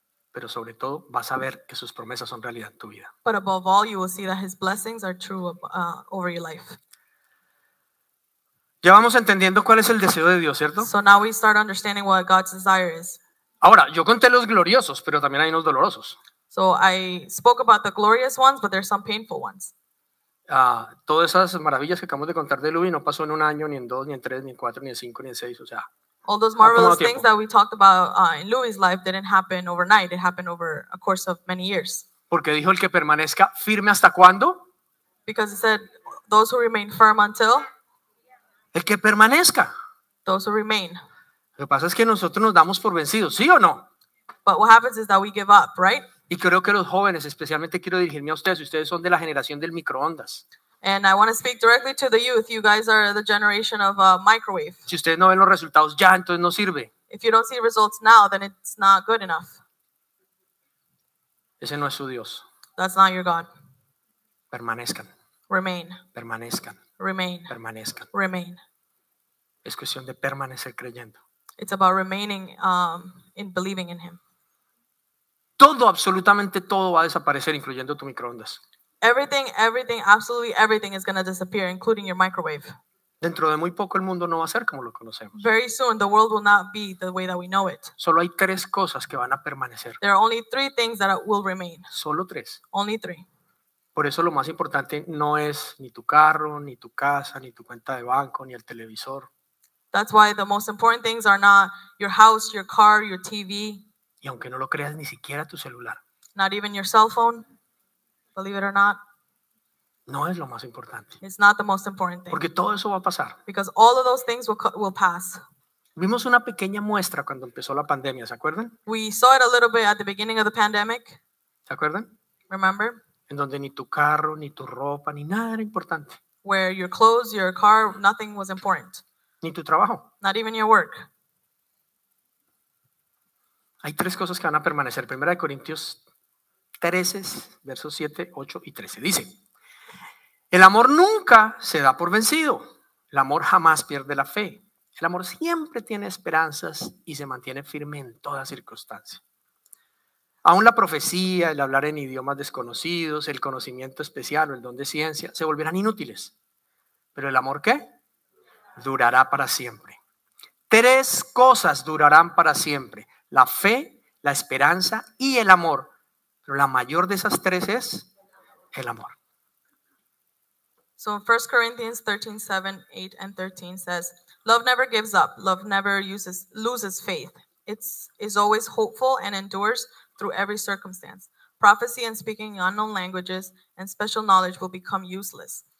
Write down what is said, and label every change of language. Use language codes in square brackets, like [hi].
[es] Pero sobre todo vas a ver que sus promesas son realidad en tu vida. [en] But above all, you will see that his blessings are true over your life. [es] Ya vamos entendiendo cuál es el deseo de Dios, ¿cierto? [en] So now we start understanding what God's desire is. [es] Ahora, yo conté los gloriosos, pero también hay unos dolorosos. [en] So I spoke about the glorious ones, but there's some painful ones. [es] Todas esas maravillas que acabamos de contar de Luby no pasó en un año, ni en dos, ni en tres, ni en cuatro, ni en cinco, ni en seis, o sea. [en] All those marvelous things that we talked about in Luby's life didn't happen overnight. It happened over a course of many years. [es] Porque dijo el que permanezca firme hasta cuándo? [en] Because it said, those who remain firm until... [es] El que permanezca. [en] Those who remain. [es] Lo que pasa es que nosotros nos damos por vencidos, ¿sí o no? [en] But what happens is that we give up, right? [es] Y creo que los jóvenes, especialmente quiero dirigirme a ustedes, si ustedes son de la generación del microondas. [en] And I want to speak directly to the youth. You guys are the generation of a microwave. [es] Si ustedes no ven los resultados ya, entonces no sirve. [en] If you don't see results now, then it's not good enough. [es] Ese no es su Dios. [en] That's not your God. [es] Permanezcan. [en] Remain. [es] Permanezcan. [en] Remain. [es] Permanezcan. [en] Remain. [es] Es cuestión de permanecer creyendo. [en] It's about remaining in believing in him. [es] Todo, absolutamente todo va a desaparecer, incluyendo tu microondas. [en] Everything, everything, absolutely everything is going to disappear, including your microwave. [es] Dentro de muy poco el mundo no va a ser como lo conocemos. [en] Very soon the world will not be the way that we know it. [es] Solo hay tres cosas que van a permanecer. [en] There are only three things that will remain. [es] Solo tres. [en] Only three. [es] Por eso lo más importante no es ni tu carro, ni tu casa, ni tu cuenta de banco, ni el televisor. [en] That's why the most important things are not your house, your car, your TV. [es] Y aunque no lo creas, ni siquiera tu celular. [en] Not even your cell phone, believe it or not. [es] No es lo más importante. [en] It's not the most important thing. [es] Porque todo eso va a pasar. [en] Because all of those things will pass. [es] Vimos una pequeña muestra cuando empezó la pandemia, ¿se acuerdan? [en] We saw it a little bit at the beginning of the pandemic. [es] ¿Se acuerdan? [en] Remember? [es] En donde ni tu carro, ni tu ropa, ni nada era importante. [en] Where your clothes, your car, nothing was important. [es] Ni tu trabajo. [en] Not even your work. [es] Hay tres cosas que van a permanecer. Primera de Corintios 13, versos 7, 8 y 13. Dice, el amor nunca se da por vencido. El amor jamás pierde la fe. El amor siempre tiene esperanzas y se mantiene firme en toda circunstancia. Aún la profecía, el hablar en idiomas desconocidos, el conocimiento especial o el don de ciencia, se volverán inútiles. Pero el amor, ¿qué? Durará para siempre. Tres cosas durarán para siempre. La fe, la esperanza y el amor. Pero la mayor de esas tres es el amor. [en] So 1 Corinthians 13, 7, 8 and 13 says, love never gives up. Love never loses faith. It's always hopeful and endures through every circumstance. Prophecy and speaking in unknown languages and special knowledge will become useless.